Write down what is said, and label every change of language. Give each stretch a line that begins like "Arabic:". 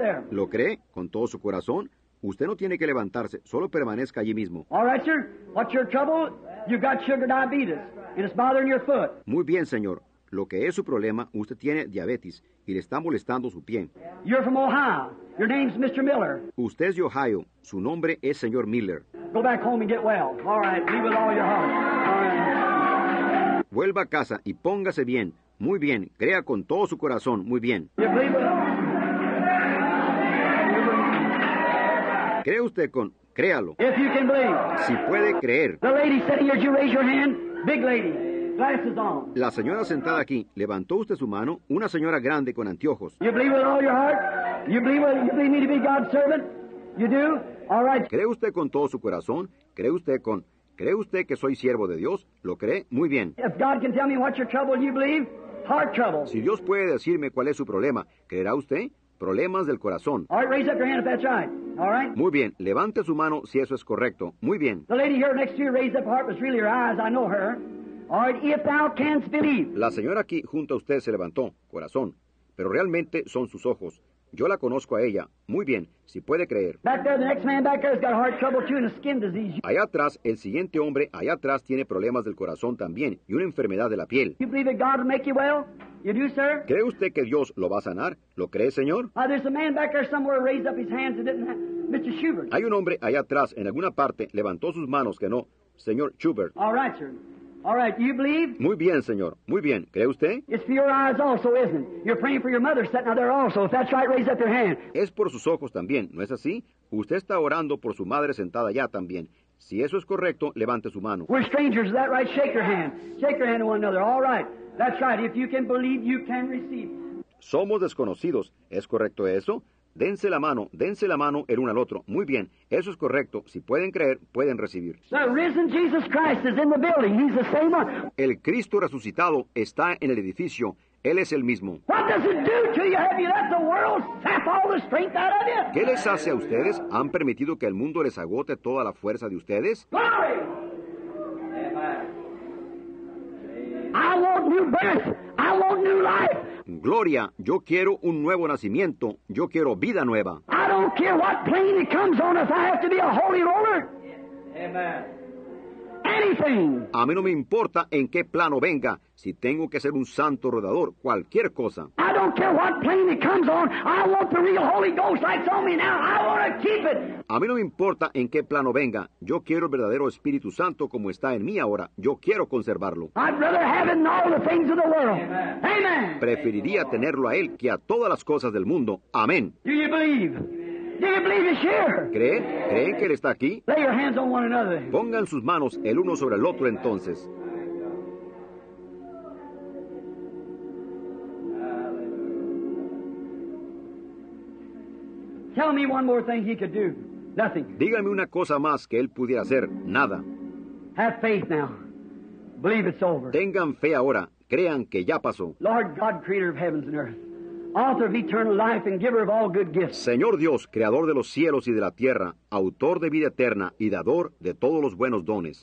Spanish: ¿Lo cree con todo su corazón? Usted no tiene que levantarse, solo permanezca allí mismo.
English: All right, sir. What's your trouble? You've got sugar diabetes, and it's bothering your foot.
Spanish: Muy bien, señor. Lo que es su problema, usted tiene diabetes y le está molestando su pie.
English: You're from Ohio. Your name's Mr. Miller.
Spanish: Usted es de Ohio. Su nombre es señor Miller.
English: Go back home and get well. All right. Leave with all your heart. All right.
Spanish: Vuelva a casa y póngase bien. Muy bien, crea con todo su corazón, muy bien. ¿Cree usted con...? Créalo.
English: If you can believe.
Spanish: Si puede creer.
English: The lady sitting here, you raise your hand. Big lady, glasses on.
Spanish: La señora sentada aquí, ¿levantó usted su mano? Una señora grande con anteojos.
English: You believe with all your heart? You believe me to be God's servant? You do? All right.
Spanish: ¿Cree usted con todo su corazón? ¿Cree usted con...? ¿Cree usted que soy siervo de Dios? ¿Lo cree? Muy bien.
English: If God can tell me what's your trouble, you believe? Heart trouble.
Spanish: Si Dios puede decirme cuál es su problema, ¿creerá usted? Problemas del corazón.
English: All right, raise up your hand if that's right. All right.
Spanish: Muy bien, levante su mano si eso es correcto. Muy bien.
English: The lady here next to you raised up her heart, was really her eyes. I know her. All right, if thou canst believe.
Spanish: La señora aquí junto a usted se levantó, corazón, pero realmente son sus ojos. Yo la conozco a ella. Muy bien, si puede creer.
English: Back there, the next man back there has got heart trouble too and a skin disease.
Spanish: Allá atrás, el siguiente hombre allá atrás tiene problemas del corazón también y una enfermedad de la piel.
English: You believe that God will make you well? You do, sir?
Spanish: ¿Cree usted que Dios lo va a sanar? ¿Lo cree, señor?
English: There's a man back there somewhere raised up his hands and didn't have... Mr. Schubert.
Spanish: Hay un hombre allá atrás en alguna parte levantó sus manos que no, señor Schubert.
English: All right, sir. All right, do you believe?
Spanish: Muy bien, señor. Muy bien. ¿Cree usted?
English: It's for your eyes also, isn't it? You're praying for your mother sitting out there also. If that's right, raise up your hand.
Spanish: Es por sus ojos también, ¿no es así? Usted está orando por su madre sentada allá también. Si eso es correcto, levante su mano.
English: We're strangers, is that right? Shake your hand. Shake your hand to one another. All right. That's right. If you can believe, you can receive.
Spanish: Somos desconocidos. ¿Es correcto eso? Dense la mano el uno al otro. Muy bien, eso es correcto. Si pueden creer, pueden recibir.
English: The risen Jesus Christ is in the building. He's the same one.
Spanish: El Cristo resucitado está en el edificio. Él es el mismo.
English: What does it do to you? Have you let the world sap all the strength out of you?
Spanish: ¿Qué les hace a ustedes? ¿Han permitido que el mundo les agote toda la fuerza de ustedes?
English: Glory! I want new birth. I want new life.
Spanish: Gloria, yo quiero un nuevo nacimiento. Yo quiero vida nueva.
English: I don't care what plane it comes on if I have to be a holy roller. Amen. Anything.
Spanish: A mí no me importa en qué plano venga, si tengo que ser un santo rodador, cualquier cosa.
English: I don't care what plane it comes on. I want the real Holy Ghost that's on me now. I want to keep it.
Spanish: A mí no me importa en qué plano venga. Yo quiero el verdadero Espíritu Santo como está en mí ahora. Yo quiero conservarlo.
English: I'd rather have it than all the things of the world. Amen. Amen.
Spanish: Preferiría tenerlo a él que a todas las cosas del mundo. Amén.
English: Do you believe? Do you believe he's here?
Spanish: ¿Creen? ¿Creen que él está aquí?
English: Lay your hands on one another.
Spanish: Pongan sus manos el uno sobre el otro entonces.
English: Tell me one more thing he could do. Nothing.
Spanish: Dígame una cosa más que él pudiera hacer. Nada.
English: Have faith now. Believe it's over.
Spanish: Tengan fe ahora. Crean que ya pasó.
English: Lord God, creator of heavens and earth. Author of eternal life and giver of all good gifts.
Spanish: Señor Dios, creador de los cielos y de la tierra, autor de vida eterna y dador de todos los buenos dones.